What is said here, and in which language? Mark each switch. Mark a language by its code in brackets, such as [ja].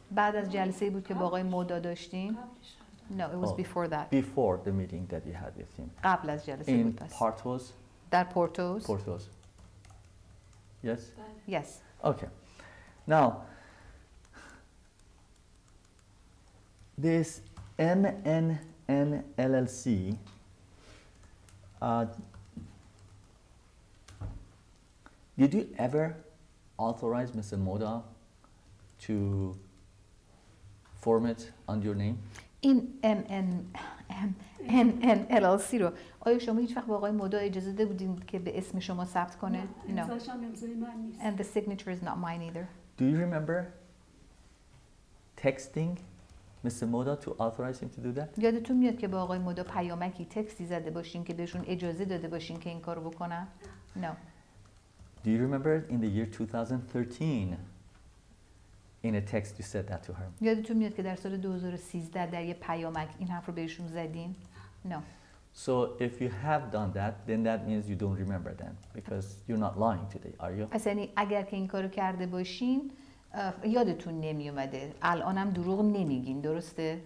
[fa] بعد از جلسه بود که با آقای مودا داشتیم. [en] No, it was before that. Before the meeting that you had with him. [fa] قبل از جلسه [en] In [fa] بود. [en] In Portos? [fa] در پورتوس. پورتوس. [en] Yes? Yes. Okay. Now, this MNNLLC, did you ever authorize Mr. Moda to form it under your name? [fa] In MNNLLC رو آیا شما هیچ وقت با آقای مودا اجازه داده بودین که به اسم شما ثبت کنه؟ [en] No. And the signature is not mine either. Do you remember texting Mr. Moda to authorize him to do that? [fa] یادتون میاد که با آقای مودا پیامکی تکستی زده باشین که بهشون اجازه داده باشین که این کارو بکنه؟ [en] No. Do you remember in the year 2013 in a text you said that to her? [fa] یادتون میاد که در سال 2013 در یه پیامک این حرف رو بهشون زدین؟ [en] No. So if you have done that, then that means you don't remember then because you're not lying today, are you? [fa] پس یعنی اگر که این کارو کرده باشین یادتون نمی اومده. الانم دروغ نمیگین، درسته؟